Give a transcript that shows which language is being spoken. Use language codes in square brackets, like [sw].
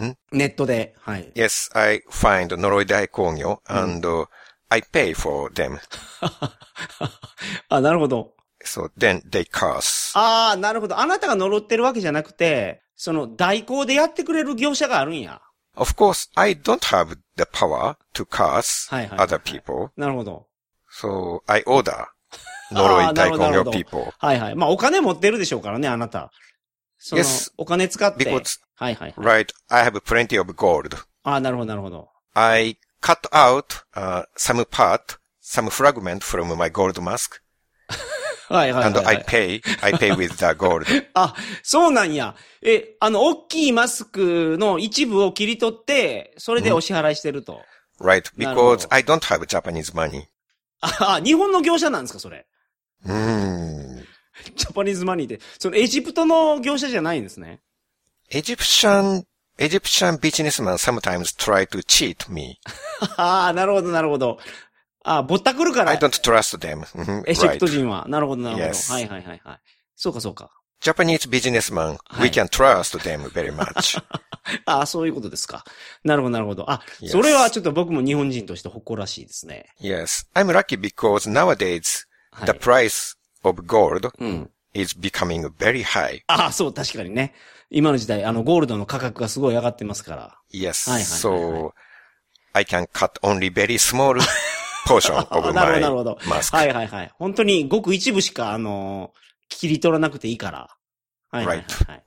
[ja] ネットで、はい。 [en] Yes, I find 呪い大工業 and、うん、I pay for them. [ja] あ、なるほど。 [en] So then they curse. [ja] ああ、なるほど。あなたが呪ってるわけじゃなくて、その代行でやってくれる業者があるんや。 [en] Of course, I don't have the power to curse other people. [ja] なるほど。 [en] So I order 呪い大工業 people. [ja] はいはい。まあお金持ってるでしょうからね、あなた。その、 [en] yes, [ja] お金使って。 [en] Because, [ja] はいはい。 [en] Right, I have plenty of gold. [ja] ああ、なるほど、なるほど。 [en] I cut out, some part, some fragment from my gold mask. [ja] はいはいはい。 [en] And I pay with the gold. [ja] あ、そうなんや。え、あの、大きいマスクの一部を切り取って、それでお支払いしてると。 [en] Right, because I don't have Japanese money. [ja] あ、日本の業者なんですか、それ。ジャパニーズマニーで、そのエジプトの業者じゃないんですね。 [en] エジプシャンビジネスマン sometimes try to cheat me. [ja] ああ、なるほど、なるほど。ああ、ぼったくるから。 [en] I don't trust them. [ja] エジプト人は。 [en] Right. [ja] なるほど、なるほど。 [en] Yes. [ja] はいはいはいはい。そうかそうか。 [en] Japanese businessman, we can trust them very much. [ja] ああ、そういうことですか。なるほど、なるほど。あ、yes. それはちょっと僕も日本人として誇らしいですね。 [en] Yes. I'm lucky because nowadays, the price、はいOf gold is becoming very high. [ja] ああ、そう、確かにね。今の時代、あの、ゴールドの価格がすごい上がってますから。 [en] Yes, so I can cut only very small portion of my mask. [ja] なるほど、なるほど。はいはいはい。本当にごく一部しか、切り取らなくていいから。はいはいはい。 [en] Right.